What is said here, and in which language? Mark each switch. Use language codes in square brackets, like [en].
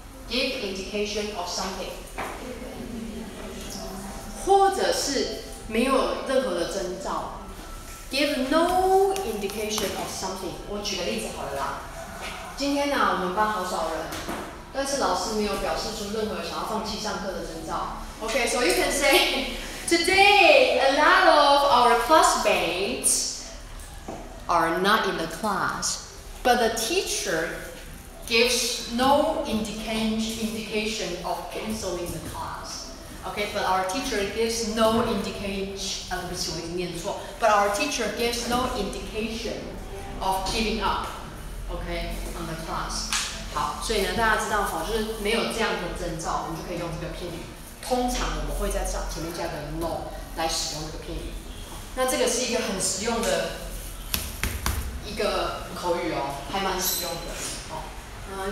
[en] Give indication of something。 [zh] 或者是没有任何的征兆 ， [en] give no indication of something。 [zh] 我举个例子好了啦。今天呢、啊，我们班好少人，但是老师没有表示出任何想要放弃上课的征兆。 [en] Okay, so you can say, today, a lot of our classmates are not in the class, but the teacher gives no indication of canceling the class. Okay, but our teacher gives no indication, [zh] 对不起，我念错, [en] but our teacher gives no indication of giving up, okay, on the class. [zh] 好,所以呢,大家知道,就是没有这样的征兆,我们就可以用这个片语。通常我们会在前面加个 no 来使用这个片语。那这个是一个很实用的一个口语哦，还蛮实用的哦。